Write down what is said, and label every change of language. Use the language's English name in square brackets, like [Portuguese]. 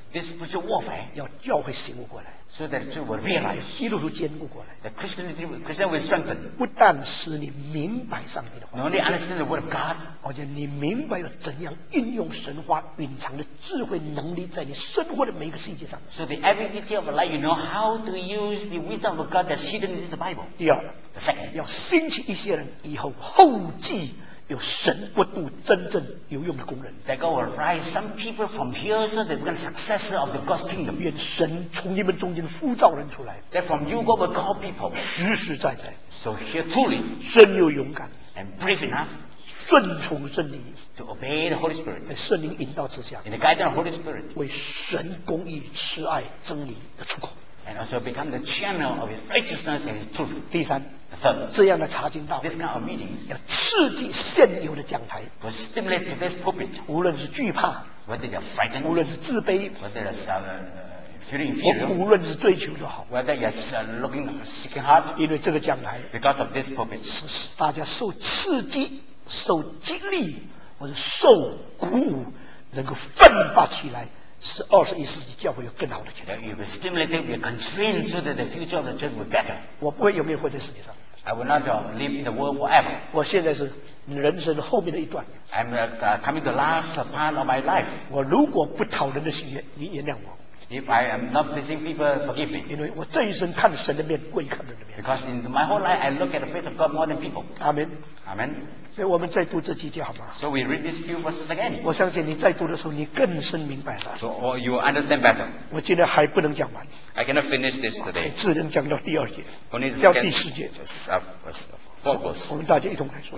[English] This spiritual warfare [Chinese] 要教会醒悟过来。 [English] So that you will realize. [Chinese] 基督徒坚固过来。 [English] The Christian will strengthen. [Chinese] 不但使你明白上帝的话。 [English] Not only understand the word of God. [Chinese] 而且你明白了怎样运用神话隐藏的智慧能力在你生活的每一个细节上。 [English] So the every detail of life, you know how to use the wisdom of God that's hidden in the Bible. [Chinese] 第二。 [English] Second, [Chinese] 要兴起一些人以后后继有神国度真正有用的工人 [English] that God will rise some people from here so they become successors of the God's kingdom [Chinese] 愿神从你们中间呼召人出来 [English] that from you God will call people [Chinese] 实实在在 [English] so here truly [Chinese] 真有勇敢 [English] and brave enough [Chinese] 顺从圣灵 [English] to obey the Holy Spirit [Chinese] 在圣灵引导之下 [English] in the guidance of the Holy Spirit [Chinese] 为神公义慈爱真理的出口 [English] And also become the channel of his righteousness and his truth. Third, the [Chinese] 这样的查经道会 [English] kind of meetings, [Chinese] 要刺激现有的讲台 [English] will stimulate this pulpit, [Chinese] 无论是惧怕 [English] whether you're frightened, [Chinese] 无论是自卑 [English] whether you're feeling inferior, [Chinese] 无论是追求都好 [English] whether you're looking for seeking heart, [Chinese] 因为这个讲台 [English] because of this pulpit, [Chinese] 是大家受刺激受激励或者受鼓舞能够奋发起来是二十一世纪教会有更好的前途。 [English] You will stimulate, you will constrain so that the future of the church will be better. [Chinese] 我不会永远活在世界上。 [English] I will not live in the world forever. [Chinese] 我现在是人生后面的一段。 [English] I'm coming to the last part of my life. [Chinese] 我如果不讨人的喜悦，你原谅我。 [English] If I am not pleasing people, forgive me. [Chinese] 因为我这一生看神的面过于看人的面。 [English] Because in my whole life, I look at the face of God more than people. Amen. Amen. [Chinese] 所以我们再读这几节好吗 [English] ？So we read these few verses again. [Chinese] 我相信你再读的时候，你更深明白了。 [English] So you understand better. [Chinese] 我今天还不能讲完。 [English] I cannot finish this today. [Chinese] 只能讲到第二节。 [English] Only the [Chinese] 叫第四节。 [English] Four verses. [Chinese] 我们大家一同来说。